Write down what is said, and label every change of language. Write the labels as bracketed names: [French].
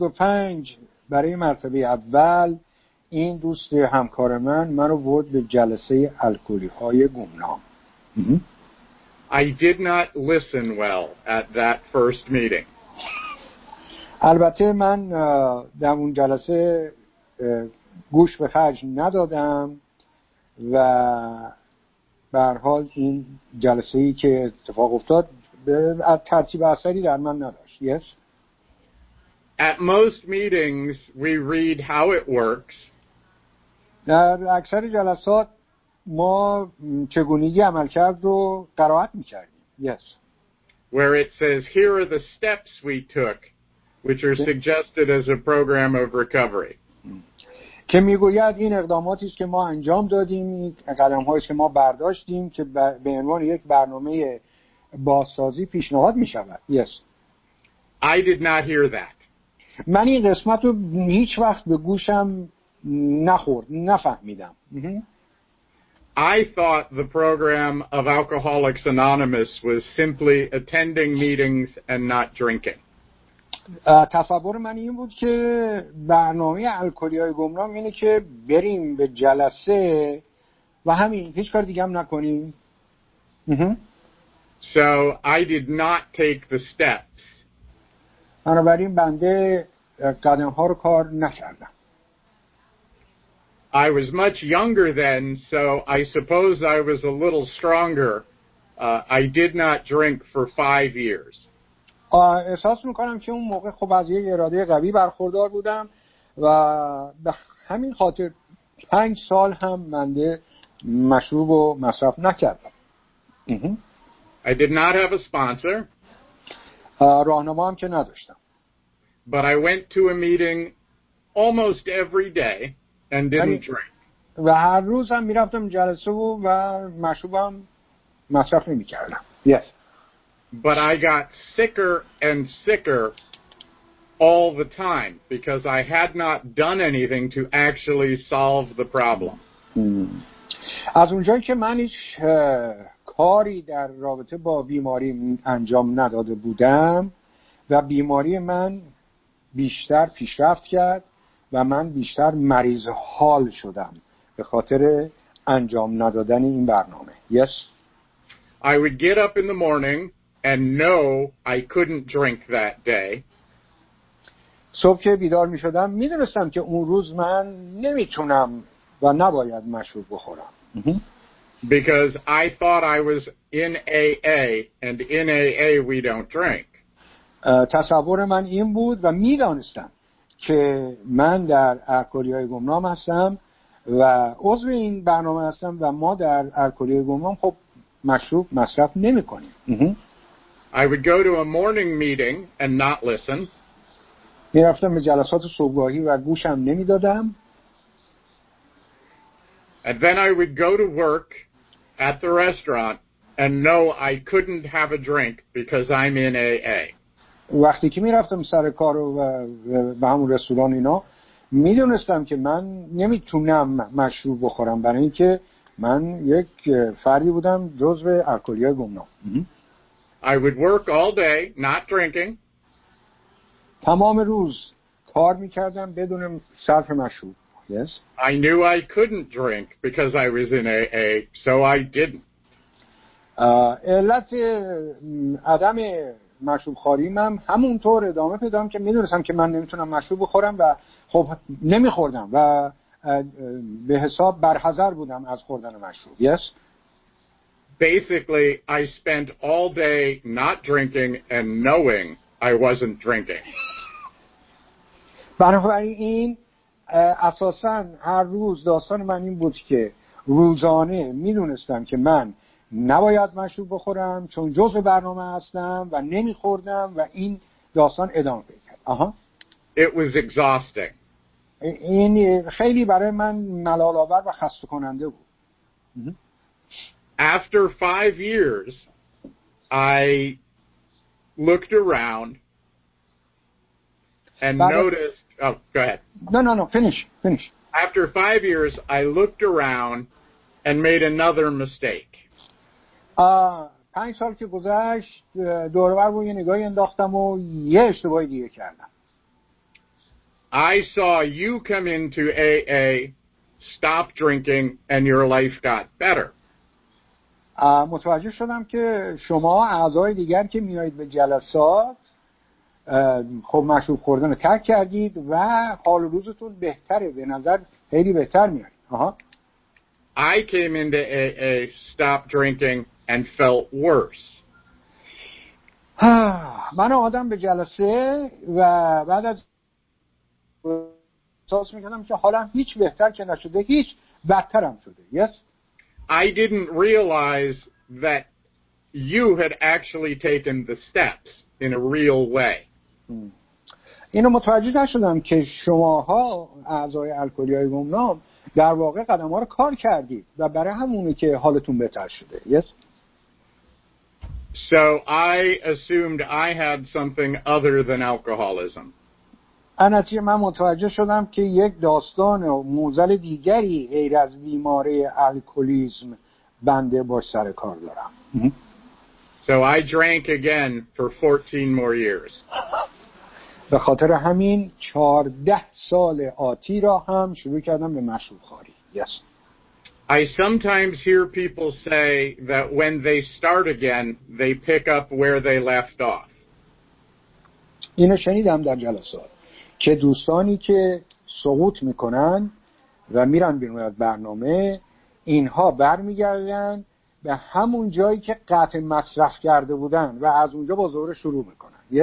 [Persian] 1985 برای مرتبه اول این دوست همکار من منو برد به جلسه الکلی‌های گمنام. [English] I did not listen well at that first meeting. [Persian] البته من در اون جلسه گوش به خرج ندادم و به هر حال این جلسه‌ای که اتفاق افتاد ترتیب اثری در من نداشت. [English] Yes. At most meetings we read how it works. [Persian] در اکثر جلسات ما چگونگی عملکرد رو قرائت می‌کردیم. [English] Yes. Where it says here are the steps we took which are suggested as a program of recovery. [Persian] که میگوید این اقداماتی است که ما انجام دادیم، قدم‌هایی است که ما برداشتیم که به عنوان یک برنامه بازسازی پیشنهاد می‌شود. [English] Yes. I did not hear that. [Persian] من این قسمت رو هیچ وقت به گوشم نخورد، نفهمیدم. [English] I thought the program of Alcoholics Anonymous was simply attending meetings and not drinking. [Persian] تصور من این بود که برنامه الکلی‌های گمنام اینه که بریم به جلسه و همین، هیچ کار دیگه هم نکنیم. [English] So I did not take the steps. [Persian] بنابراین بنده قدم‌ها رو کار نکردم. [English] I was much younger then, so I suppose I was a little stronger. I did not drink for 5 years. [Persian] احساس میکنم که اون موقع خب از یه اراده قوی برخوردار بودم و به همین خاطر 5 سال هم منده مشروب و مصرف نکردم. [English] I did not have a sponsor. [Persian] راهنما هم که نداشتم. [English] But I went to a meeting almost every day and didn't drink. [Persian] و هر روز هم میرفتم جلسه و مشروبم مصرف نمیکردم. [English] Yes. But I got sicker and sicker all the time because I had not done anything to actually solve the problem. [Persian] از اونجایی که من هیچ کاری در رابطه با بیماری انجام نداده بودم و بیماری من بیشتر پیشرفت کرد و من بیشتر مریض حال شدم به خاطر انجام ندادن این برنامه. [English] Yes. I would get up in the morning and no, I couldn't drink that day. [Persian] صبح که بیدار می شدم می دونستم که اون روز من نمی تونم و نباید مشروب بخورم. [English] Because I thought I was in AA and in AA we don't drink. [Persian] تصور من این بود و می دانستم که من در الکلی‌های گمنام هستم و عضو این برنامه هستم و ما در الکلی‌های گمنام خب مشروب مصرف نمی کنیم. [English] I would go to a morning meeting and not listen. [Persian] می رفتم به جلسات صبحگاهی و گوشم نمی دادم. [English] And then I would go to work at the restaurant and no, I couldn't have a drink because I'm in AA. [Persian] وقتی که می رفتم سر کار و به همون رستوران اینا می دونستم که من نمی تونم مشروب بخورم برای اینکه من یک فردی بودم جزء الکلی‌های گمنام. [English] I would work all day not drinking. [Persian] تمام روز کار می‌کردم بدون صرف مشروب. [English] Yes. I knew I couldn't drink because I was in AA, so I didn't. [Persian] علت عدم مشروب خوریم هم همون طور ادامه پیدا کردم که می‌دونستم که من نمی‌تونم مشروب بخورم و خب نمی‌خوردم و به حساب برحذر بودم از خوردن مشروب. [English] Yes. Basically, I spent all day not drinking and knowing I wasn't drinking. [Persian] بنابراین این اساساً هر روز داستان من این بود که روزانه می دونستم که من نباید مشروب بخورم چون جزء برنامه هستم و نمیخوردم و این داستان ادامه پیدا کرد. [English] It was exhausting. [Persian] این خیلی برای من ملال‌آور و خسته کننده بود. [English] After 5 years, I looked around and noticed. Oh, go ahead. No. Finish. After 5 years, I looked around and made another mistake. [Persian] پنج سال که گذشت دوربر رو یه نگاهی انداختم و یه اشتباه دیگه کردم. [English] I saw you come into AA, stop drinking, and your life got better. [Persian] متوجه شدم که شما اعضای دیگر که میایید به جلسات خب مشروب خوردن رو ترک کردید و حال روزتون بهتره، به نظر خیلی بهتر میاد. [English] I came into AA, stop drinking, and felt worse. [Persian] من آمدم به جلسه و بعد از احساس میکردم که حالا هیچ بهتر که نشده، هیچ بدترم شده. [English] Yes. I didn't realize that you had actually taken the steps in a real way. [Persian] اینو متوجه نشدم که شماها اعضای الکلی‌های گمنام در واقع قدم‌ها رو کار کردید و برای همونه که حالتون بهتر شده. [English] Yes. So I assumed I had something other than alcoholism. [Persian] آنچه من متوجه شدم که یک داستان و موزل دیگری غیر از بیماری الکلیسم بنده با سر کار دارم. [English] So I drank again for 14 more years. [Persian] به خاطر همین 14 سال آتی را هم شروع کردم به مشروب خوری. [English] Yes. I sometimes hear people say that when they start again, they pick up where they left off. [Persian] اینو شنیدم در جلسات که دوستانی که سقوط میکنن و میرن بیرون از برنامه، اینها برمیگردن به همون جایی که قطع مصرف کرده بودن و از اونجا با زور شروع میکنن.